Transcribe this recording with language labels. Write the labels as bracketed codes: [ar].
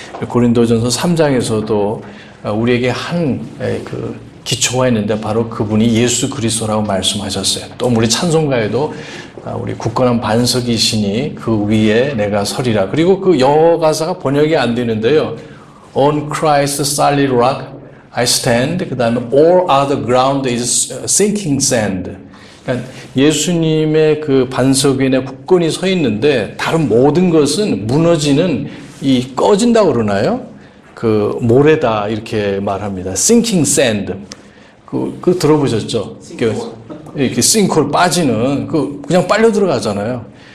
[ko] 고린도전서 3장에서도 우리에게 한그 기초가 있는데, 바로 그분이 예수 그리스도라고 말씀하셨어요. 또 우리 찬송가에도 우리 굳건한 반석이시니 그 위에 내가 서리라. 그리고 그 영어 가사가 번역이 안 되는데요. [en] On Christ's solid rock I stand, [ko] 그 다음에 [en] all other ground is sinking sand. [ko] 그러니까 예수님의 그 반석 위에 굳건히 서 있는데, 다른 모든 것은 무너지는, 이 꺼진다고 그러나요? 그 모래다 이렇게 말합니다. [en] Sinking sand. [ko] 그 들어보셨죠? 이렇게 싱크홀 빠지는, 그냥 빨려 들어가잖아요.